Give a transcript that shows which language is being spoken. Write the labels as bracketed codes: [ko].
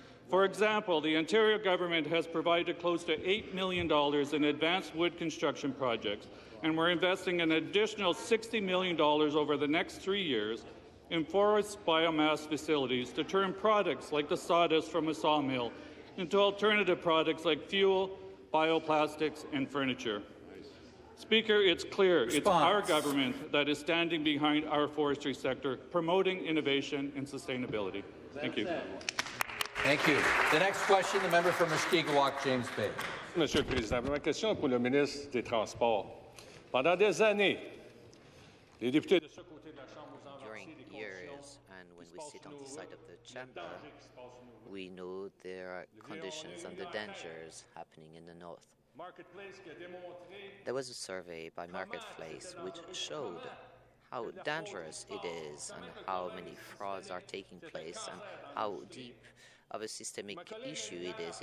[en] For example, the Ontario government has provided close to $8 million in advanced wood construction projects, and we're investing an additional $60 million over the next 3 years in forest biomass facilities to turn products like the sawdust from a sawmill into alternative products like fuel, bioplastics, and furniture. Speaker, it's clear it's our government that is standing behind our forestry sector, promoting innovation and sustainability. Thank you. Thank you. The next question, the member for Mishkegawak, James Bay. [fr] Monsieur le Président, ma question pour le ministre des Transports. Pendant des années, les députés de ce côté de la Chambre ont [en] during years, and when we sit on the side of the chamber, we know there are conditions and the dangers happening in the north. There was a survey by Marketplace which showed how dangerous it is and how many frauds are taking place and how deep of a systemic issue it is.